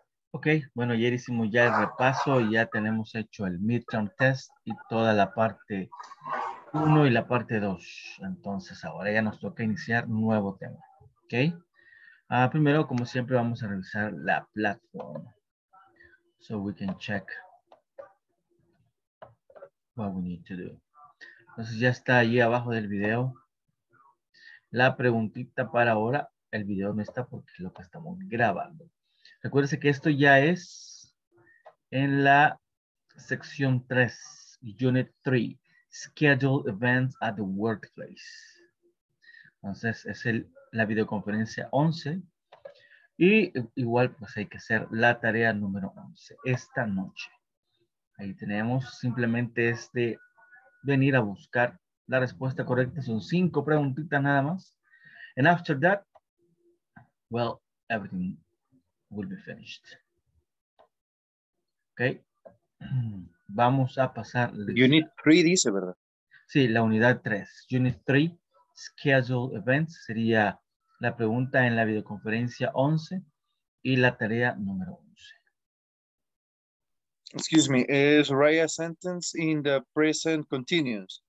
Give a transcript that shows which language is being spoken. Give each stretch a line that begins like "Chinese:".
Spanish: Ok, bueno, ayer hicimos ya el repaso y ya tenemos hecho el midterm test y toda la parte 1 y la parte 2. Entonces, ahora ya nos toca iniciar nuevo tema. Ok. Primero, como siempre, vamos a revisar la plataforma.
English: So we can check what we need to do.
Spanish: Entonces, ya está ahí abajo del video. La preguntita para ahora. El video no está porque es lo que estamos grabando. Recuérdese que esto ya es en la sección 3, Unit 3, Schedule Events at the Workplace. Entonces, es la videoconferencia 11. Y igual, pues hay que hacer la tarea número 11, esta noche. Ahí tenemos, simplemente es de venir a buscar la respuesta correcta. Son 5 preguntitas nada más.
English: And after that, well, everything will be finished.
Spanish: Okay. Vamos a pasar. Unit 3 dice, ¿verdad? Sí, la unidad 3. Unit 3, Schedule Events, sería la pregunta en la videoconferencia 11 y la tarea número 11.
English: Excuse me, is Raya sentence in the present continuous?